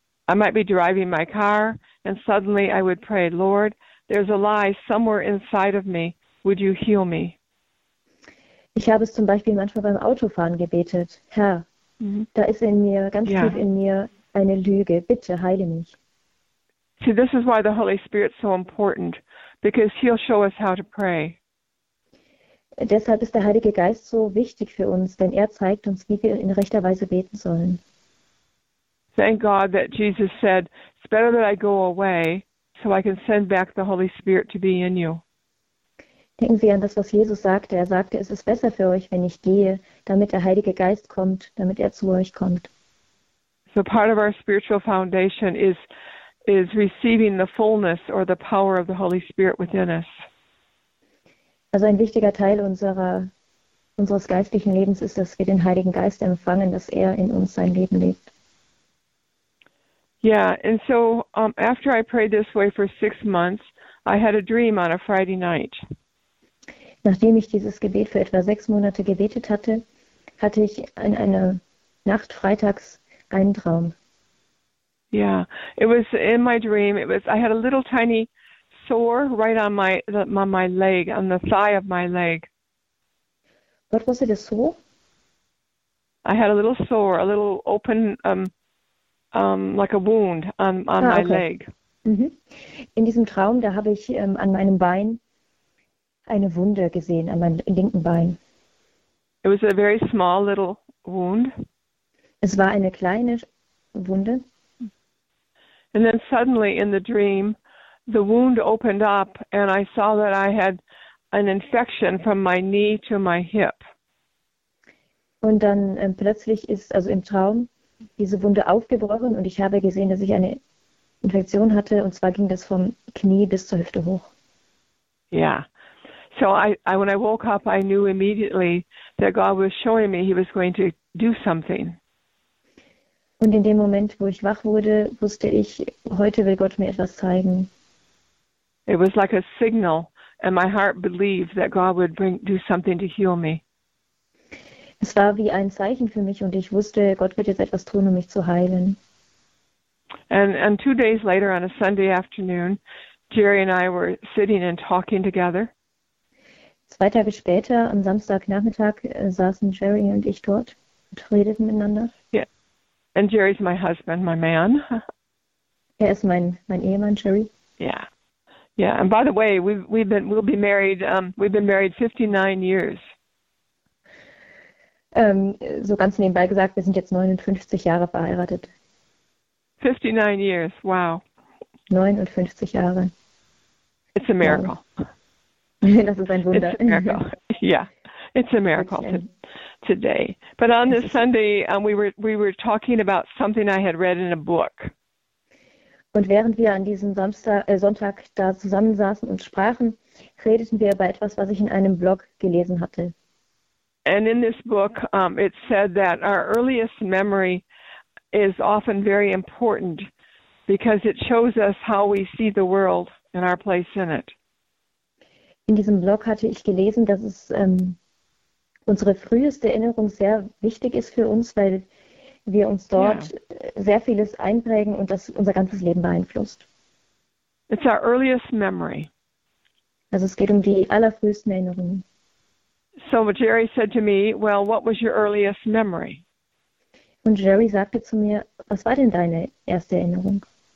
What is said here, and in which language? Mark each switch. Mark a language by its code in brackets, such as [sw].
[en] I might be driving my car and suddenly I would pray, Lord, there's a lie somewhere inside of me. Would you heal me? [de] Ich habe es zum Beispiel manchmal beim Autofahren gebetet. Herr, da ist in mir, ganz tief in mir, eine Lüge. Bitte heile mich. [en] See, this is why the Holy Spirit is so important, because he'll show us how to pray. [de] Deshalb ist der Heilige Geist so wichtig für uns, denn er zeigt uns, wie wir in rechter Weise beten sollen. [en] Thank God that Jesus said, it's better that I go away, so I can send back the Holy Spirit to be in you. [de] Denken Sie an das, was Jesus sagte. Er sagte, es ist besser für euch, wenn ich gehe, damit der Heilige Geist kommt, damit er zu euch kommt. [en] So part of our spiritual foundation is receiving the fullness or the power of the Holy Spirit within us. [de] Also ein wichtiger Teil unseres geistlichen Lebens ist, dass wir den Heiligen Geist empfangen, dass er in uns sein Leben lebt. [en] Yeah, and so after I prayed this way for 6 months, I had a dream on a Friday night. [de] Nachdem ich dieses Gebet für etwa 6 Monate gebetet hatte, hatte ich in einer Nacht freitags einen Traum. [en] Yeah, it was in my dream. It was I had a little tiny sore right on my leg, on the thigh of my leg. What was it, a sore? I had a little sore, a little open like a wound on my leg. [de] In diesem Traum, da habe ich an meinem Bein eine Wunde gesehen, an meinem linken Bein. [en] It was a very small little wound. [de] Es war eine kleine Wunde. [en] And then suddenly in the dream, the wound opened up and I saw that I had an infection from my knee to my hip. [de] Und dann plötzlich ist, also im Traum, diese Wunde aufgebrochen und ich habe gesehen, dass ich eine Infektion hatte und zwar ging das vom Knie bis zur Hüfte hoch. Ja. Yeah. [en] So I when I woke up I knew immediately that God was showing me he was going to do something. [de] Und in dem Moment, wo ich wach wurde, wusste ich, heute will Gott mir etwas zeigen. [en] It was like a signal and my heart believed that God would do something to heal me. [de] Es war wie ein Zeichen für mich und ich wusste, Gott wird jetzt etwas tun, um mich zu heilen. [en] And 2 days later on a Sunday afternoon, Jerry and I were sitting and talking together. [de] 2 Tage später, am Samstagnachmittag, saßen Jerry und ich dort und redeten miteinander. [en] Yeah. And Jerry's my husband, my man. [de] Er ist mein Ehemann, Jerry. Yeah. Yeah. [en] And by the way, we've been married 59 years. [de] So ganz nebenbei gesagt, wir sind jetzt 59 Jahre verheiratet. [en] 59 years, wow. [de] 59 Jahre. [en] It's a miracle. Wow. [de] Das ist ein Wunder. [en] It's a miracle. Yeah, it's a miracle today. But on this Sunday, we were talking about something I had read in a book. [de] Und während wir an diesem Sonntag da zusammensaßen und sprachen, redeten wir über etwas, was ich in einem Blog gelesen hatte. [en] And in this book, it said that our earliest memory is often very important because it shows us how we see the world and our place in it. [de] In diesem Blog hatte ich gelesen, dass es unsere früheste Erinnerung sehr wichtig ist für uns, weil wir uns dort sehr vieles einprägen und das unser ganzes Leben beeinflusst. [en] It's our earliest memory. [de] Also es geht um die allerfrühesten Erinnerungen. [en] So Jerry said to me, well, what was your earliest memory? [de] Und Jerry sagte zu mir, was war denn deine erste Erinnerung?